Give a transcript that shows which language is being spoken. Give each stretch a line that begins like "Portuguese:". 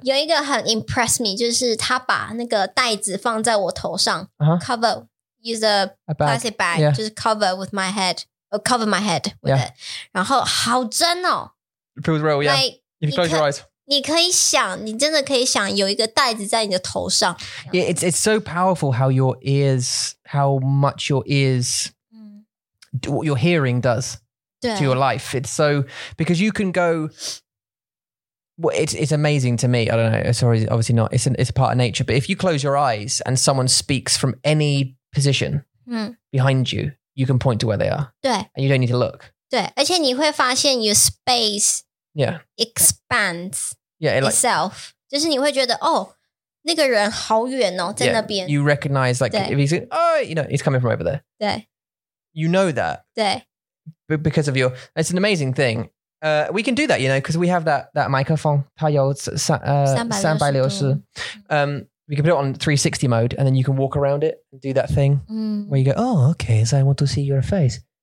Chinese: 有一个很
English: impress me，
Chinese: 就是他把那个袋子放在我头上、
English: uh-huh. ，cover use a plastic bag，、 yeah.
Chinese: 就是
English: cover my head with、 yeah. it，
Chinese: 然后好真哦
English: ，It feels real， yeah， like, if you close your eyes，
Chinese: 你可以想，你真的可以想有一个袋子在你的头上
English: yeah, ，It's so powerful how your ears how much your ears. What your hearing does to your life. It's so, because you can go, well, it's amazing to me. I don't know. Sorry, obviously not. It's a part of nature. But if you close your eyes and someone speaks from any position, behind you, you can point to where they are.
Chinese: 对,
English: and you don't need to look.
Chinese: 对, 而且你会发现
English: your space expands itself.
Chinese: 就是你会觉得, oh, 那个人好远哦, 在那边。
English: Yeah, you recognize, like, if he's, oh, you know, he's coming from over there.
Chinese: 对,
English: you know that.
Chinese: 对,
English: because of your, it's an amazing thing. We can do that, you know, because we have that microphone.
Chinese: 它有360度。
English: We can put it on 360 mode and then you can walk around it and do that thing where you go, oh, okay, so I want to see your face.